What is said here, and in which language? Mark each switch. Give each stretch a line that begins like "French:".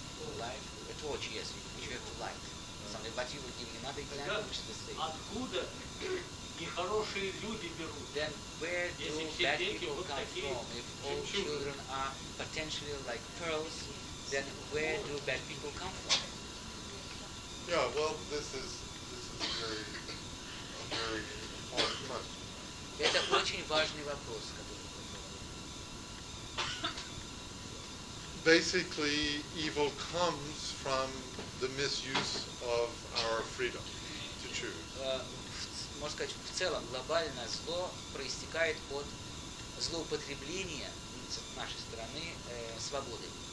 English: Or light, a torch, yes, you have to light. Something, but you give me another example, which is the same.
Russian: Откуда нехорошие люди берут?
English: Then where do bad people come from? If all children are potentially like pearls, then where do bad people come from? Yeah, well, this is a very important question.
Russian: Это очень важный вопрос, который.
English: Basically, evil comes from the misuse of our freedom to choose.
Russian: Можно сказать, в целом, глобальное зло проистекает от злоупотребления с нашей стороны свободы.